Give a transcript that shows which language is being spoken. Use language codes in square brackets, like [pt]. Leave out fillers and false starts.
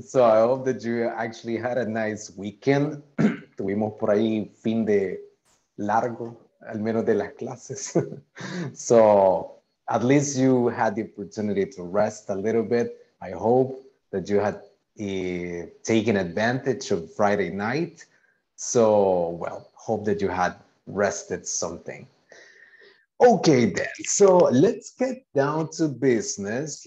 [en] So I hope that you actually had a nice weekend. [es] Tuvimos por ahí fin de largo, al menos de las clases. [en] So at least you had the opportunity to rest a little bit. I hope that you had taken advantage of Friday night. So, well, hope that you had rested something. Okay then, so let's get down to business.